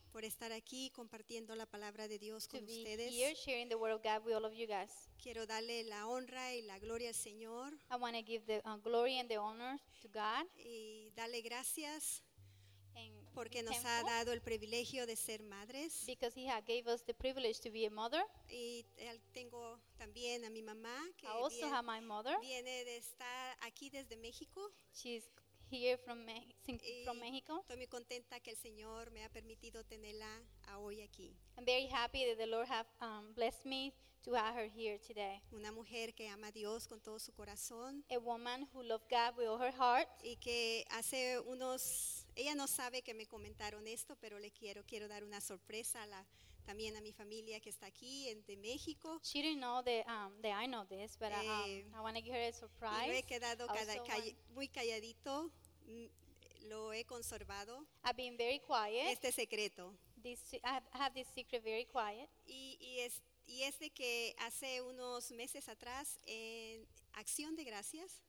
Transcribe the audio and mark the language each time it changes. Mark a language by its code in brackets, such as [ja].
[es] Por estar aquí compartiendo la palabra de Dios con ustedes. [en] To be here sharing the word of God with all of you guys. [es] Quiero darle la honra y la gloria al Señor. [en] I want to give the glory and the honor to God. [es] Y darle gracias. Porque nos ha dado el privilegio de ser madres. [en] Because he gave us the privilege to be a mother. [es] Y tengo también a mi mamá que [en] I also have my mother. [es] Viene de estar aquí desde México. [en] She's here from Mexico. [es] Estoy muy contenta que el Señor me ha permitido tenerla a hoy aquí. [en] I'm very happy that the Lord have blessed me to have her here today. [es] Una mujer que ama a Dios con todo su corazón. [en] A woman who loves God with all her heart. [es] Y que hace unos ella no sabe que me comentaron esto, pero le quiero dar una sorpresa a la también a mi familia que está aquí de México. [en] She didn't know that I know this, but I want to give her a surprise. [es] Yo he quedado muy calladito, lo he conservado. [en] I've been very quiet. [es] Este secreto. [en] I have this secret very quiet. [es] Y es de que hace unos meses atrás en Acción de Gracias.